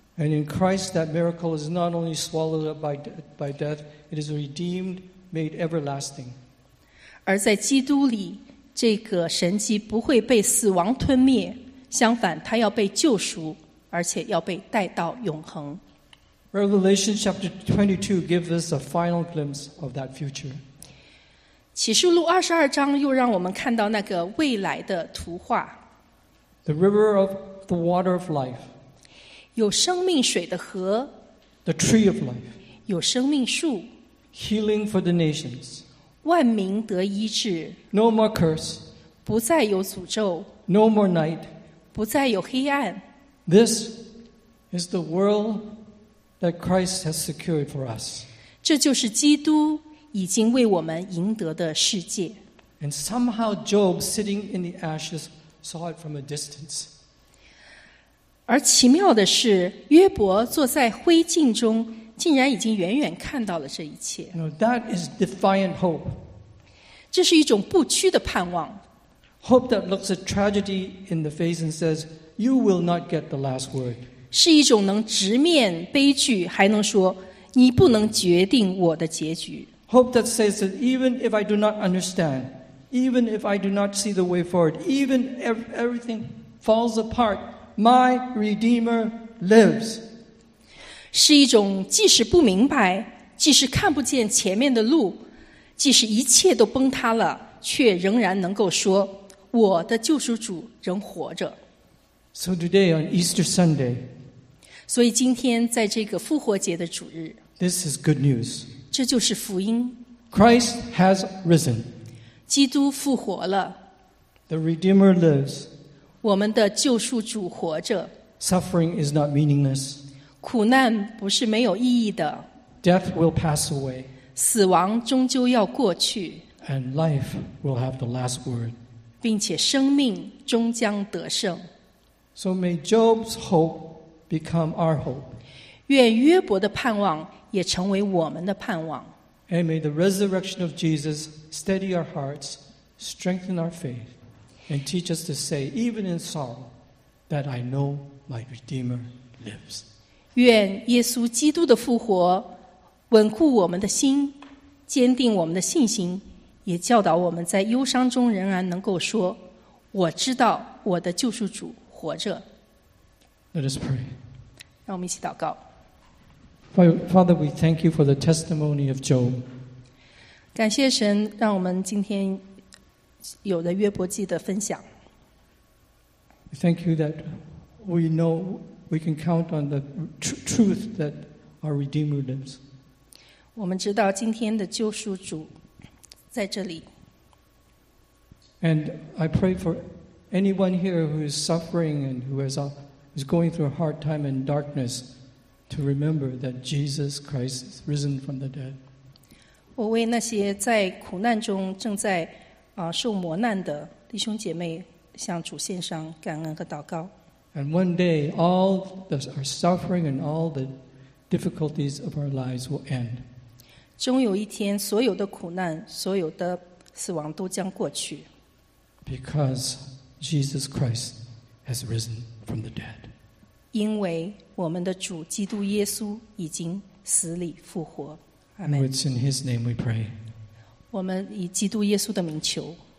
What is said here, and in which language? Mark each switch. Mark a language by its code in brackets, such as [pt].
[en] And in Christ, that miracle is not only swallowed up by death, it is redeemed, made everlasting. [zh] 而在基督里，这个神迹不会被死亡吞灭，相反，它要被救赎，而且要被带到永恒。 [en] Revelation chapter 22 gives us a final glimpse of that future. [zh] 启示录二十二章又让我们看到那个未来的图画。 [en] The river of the water of life. [zh] 有生命水的河。 [en] The tree of life. [zh] 有生命树。 [en] Healing for the nations. [zh] 万民得医治。 [en] No more curse. [zh] 不再有诅咒。 [en] No more night. [zh] 不再有黑暗。 [en] This is the world that Christ has secured for us. [zh] 这就是基督已经为我们赢得的世界。 [en] And somehow Job, sitting in the ashes, saw it from a distance. [zh] 而奇妙的是，约伯坐在灰烬中，竟然已经远远看到了这一切。 [en] Now, that is defiant hope. [zh] 这是一种不屈的盼望。 [en] Hope that looks a tragedy in the face and says, "You will not get the last word." [zh] 是一种能直面悲剧，还能说你不能决定我的结局。 [en] Hope that says that even if I do not understand, even if I do not see the way forward, even if everything falls apart, my Redeemer lives. [zh] 是一种即使不明白，即使看不见前面的路，即使一切都崩塌了，却仍然能够说，我的救赎主仍活着。 [en] So today on Easter Sunday, [zh] 所以今天在这个复活节的主日， [en] This is good news. [zh] 这就是福音。 [en] Christ has risen. [zh] 基督复活了。 [en] The Redeemer lives. [zh] 我们的救赎主活着。 [en] Suffering is not meaningless. [zh] 苦难不是没有意义的。 [en] Death will pass away. [zh] 死亡终究要过去。 [en] And life will have the last word. [zh] 并且生命终将得胜。 [en] So may Job's hope become our hope. [zh] 愿约伯的盼望也成为我们的盼望。 [en] And may the resurrection of Jesus steady our hearts, strengthen our faith, and teach us to say, even in sorrow, that I know my Redeemer lives. [zh] 愿耶稣基督的复活稳固我们的心，坚定我们的信心，也教导我们在忧伤中仍然能够说，我知道我的救赎主活着。 [en] Let us pray. [zh] 让我们一起祷告。 [en] Father, we thank you for the testimony of Job. [zh] 感谢神，让我们今天有了约伯记的分享。 [en] Thank you that we know we can count on the truth that our Redeemer lives. [zh] 我们知道今天的救赎主在这里。 [en] And I pray for anyone here who is suffering and who is going through a hard time and darkness. To remember that Jesus Christ is risen from the dead. [zh] 我为那些在苦难中正在受磨难的弟兄姐妹向主献上感恩和祷告。 [en] And one day all our suffering and all the difficulties of our lives will end. [zh] 终有一天，所有的苦难、所有的死亡都将过去。 [en] Because Jesus Christ has risen from the dead. [zh] 因为我们的主基督耶稣已经死里复活。 [en] Amen. It's in his name we pray. [zh] 我们以基督耶稣的名求。